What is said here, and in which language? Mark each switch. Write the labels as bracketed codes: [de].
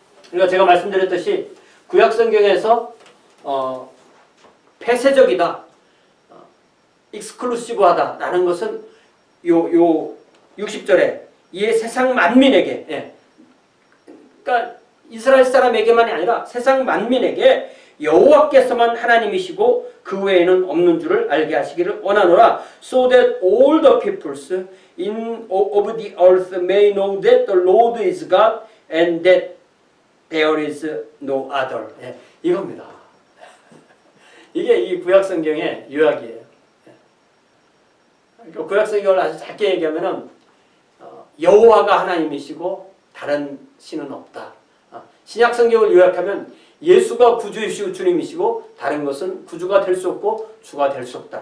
[ko] 그러니까 제가 말씀드렸듯이 구약성경에서 폐쇄적이다, 익스클루시브하다라는 것은 요 60절에 이에 세상 만민에게, 예. 그러니까 이스라엘 사람에게만이 아니라 세상 만민에게 여호와께서만 하나님이시고 그 외에는 없는 줄을 알게 하시기를 원하노라. [en] So that all the peoples in of the earth may know that the Lord is God and that there is no other. [ko] 예. 이겁니다. 이게 이 구약성경의 요약이에요. 그러니까 구약성경을 아주 작게 얘기하면 여호와가 하나님이시고 다른 신은 없다. 신약성경을 요약하면 예수가 구주이시고 주님이시고 다른 것은 구주가 될 수 없고 주가 될 수 없다.